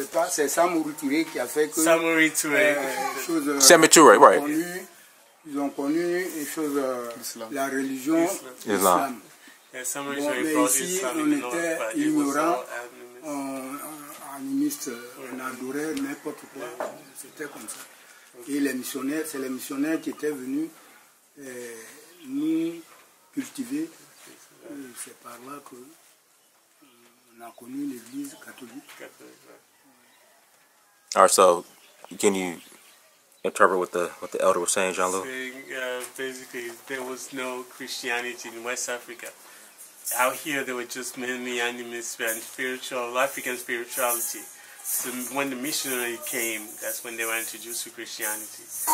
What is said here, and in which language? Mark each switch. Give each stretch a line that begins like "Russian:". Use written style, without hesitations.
French: Samouritoure qui a fait que. Samouritoure.
English: Samouritoure, right.
French: Ils ont connu une chose. Islam. La religion. Islam.
English: Yeah, Samouritoure brought Islam in the north, but it was all animists.
French: Animistes. On adorait n'importe quoi. C'était comme ça. Et les missionnaires, c'est les missionnaires qui étaient venus nous cultiver. C'est par là qu'on a connu l'Église catholique.
English: All right, so can you interpret what the elder was saying, Jean-Louis? Saying, basically, there was no Christianity in West Africa. Out here, there were just mainly animist and African spirituality. So when the missionary came, that's when they were introduced to Christianity.